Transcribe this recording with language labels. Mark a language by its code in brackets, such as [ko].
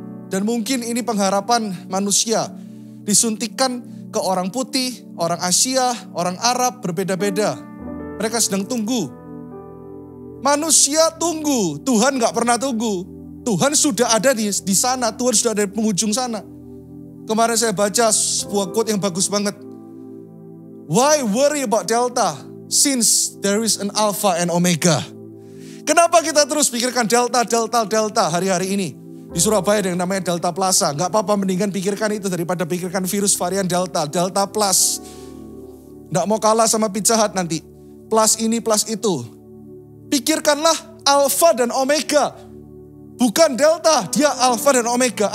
[id] Dan mungkin ini pengharapan manusia. Disuntikan ke orang putih, orang Asia, orang Arab, berbeda-beda. Mereka sedang tunggu. Manusia tunggu, Tuhan gak pernah tunggu. Tuhan sudah ada di sana, Tuhan sudah ada di penghujung sana. Kemarin saya baca sebuah quote yang bagus banget. [en] Why worry about Delta since there is an Alpha and Omega? [id] Kenapa kita terus pikirkan Delta, Delta, Delta hari-hari ini? Di Surabaya ada yang namanya Delta Plaza. Gak apa-apa, mendingan pikirkan itu daripada pikirkan virus varian Delta, Delta Plus. Gak mau kalah sama Pizza Hut nanti. Plus ini, plus itu. Pikirkanlah Alpha dan Omega. Bukan Delta, dia Alpha dan Omega.